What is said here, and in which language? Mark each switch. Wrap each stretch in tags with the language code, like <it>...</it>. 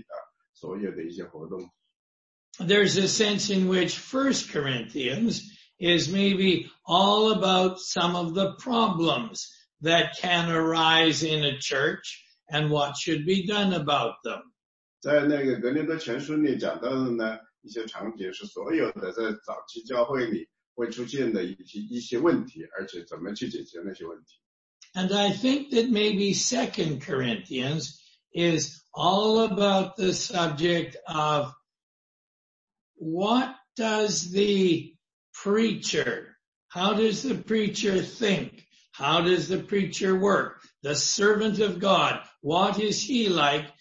<zh>使徒行传呢，所有的讲的呢，就是在主耶稣从死里复活以后早期教会的所有的一些活动。</zh> <en>There's a sense in which 1 Corinthians is maybe all about some of the problems that can arise in a church and what should be done about them.</en> <zh>在那个格林多前书里讲到的呢，一些场景是所有的在早期教会里会出现的一些问题，而且怎么去解决那些问题。</zh> <en>And I think that maybe 2 Corinthians is all about the subject of what does the preacher, how does the preacher think? How does the preacher work? The servant of God, what is he like?</en>